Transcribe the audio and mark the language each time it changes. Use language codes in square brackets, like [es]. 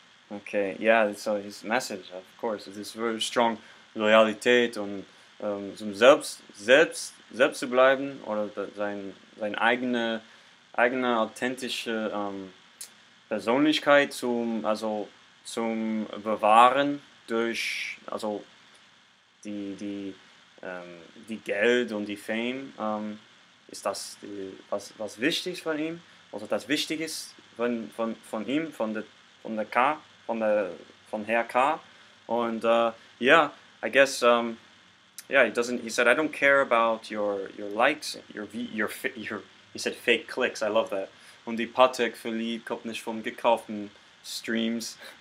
[en] Okay, yeah, so his message, of course, is this very strong [de] Loyalität und zum selbst zu bleiben oder sein eigene authentische Persönlichkeit zum bewahren durch also die Geld und die Fame, ist das was wichtig von ihm, also das wichtig ist von ihm, von der K, von der von Herr K. [en] Und I guess he said I don't care about your likes, your he said fake clicks. I love that. [de] Und die Patek Philippe kommt nicht vom gekauften Streams.